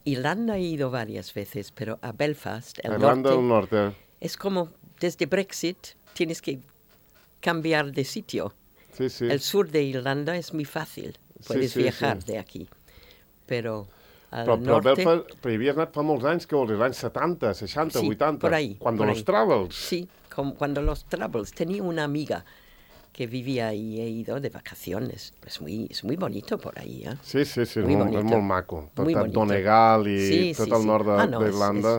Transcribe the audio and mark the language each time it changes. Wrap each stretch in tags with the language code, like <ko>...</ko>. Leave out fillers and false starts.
<es>Irlanda he ido varias veces, pero a Belfast, el Irlanda norte... Irlanda del norte. Es como desde Brexit tienes que cambiar de sitio. Sí, sí. El sur de Irlanda es muy fácil. Puedes viajar de aquí. Pero al norte...</es> <ca>Però a Belfast, però hi havies anat fa molts anys, que vols dir, anys 70, 60, sí, 80.</ca> <es>Por ahí. Cuando los travels. Sí, como cuando los travels. Tenía una amiga que vivía ahí, he ido de vacaciones. Es muy bonito por ahí, ¿eh? Sí, sí, sí, es muy maco. Muy bonito. Donegal y todo el norte de Irlanda.</es>